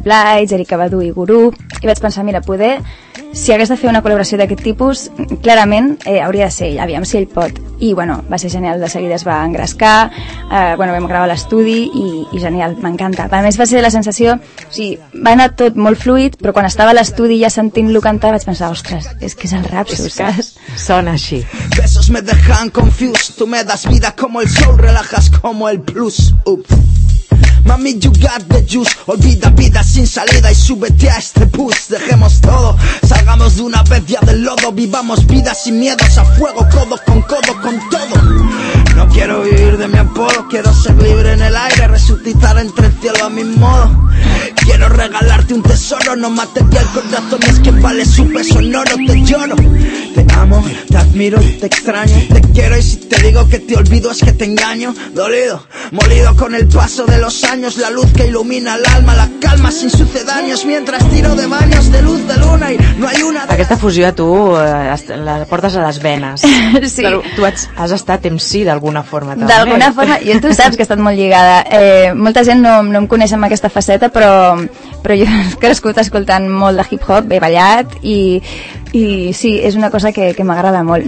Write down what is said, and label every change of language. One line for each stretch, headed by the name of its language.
Catalan: Blige, Erykah Badu i Guru, i vaig pensar, mira, poder, si hagués de fer una col·laboració d'aquest tipus, clarament hauria de ser ell, aviam si ell pot. I bueno, va ser genial, de seguida es va engrescar, bueno, vam gravar l'estudi i genial, m'encanta. A més va ser la sensació, o sigui, va anar tot molt fluid, però quan estava a l'estudi ja sentint-lo cantar vaig pensar, ostres, és que és el rap, saps? Es que sona així.
Spanish: Besos me dejan confused, tú me das vida como el sol, relajas como el plus, ups.
English: Mami, you got the juice.
Spanish: Olvida vida sin salida y súbete a este bus. Dejemos todo, salgamos de una vez ya del lodo. Vivamos vida sin miedos a fuego, codo, con todo. No quiero vivir de mi apodo, quiero ser libre en el aire, resucitar entre el cielo a mi modo. Quiero regalarte un tesoro, no material, corazón, es que vale su peso en oro. Te lloro, te amo, te admiro, te extraño, te quiero y si te digo que te olvido es que te engaño. Dolido, molido con el paso de los años, la luz que ilumina el alma, la calma sin sucedáneos, mientras tiro de baños de luz de luna y no hay una...
Catalan: Aquesta fusió a tu la portes a les venes. Sí. Però tu has estat MC d'alguna forma també. D'alguna forma, i tu saps que he estat molt lligada. Molta gent no em coneix amb aquesta faceta, però jo he crescut escoltant molt de hip-hop, he ballat i sí, és una cosa que m'agrada molt.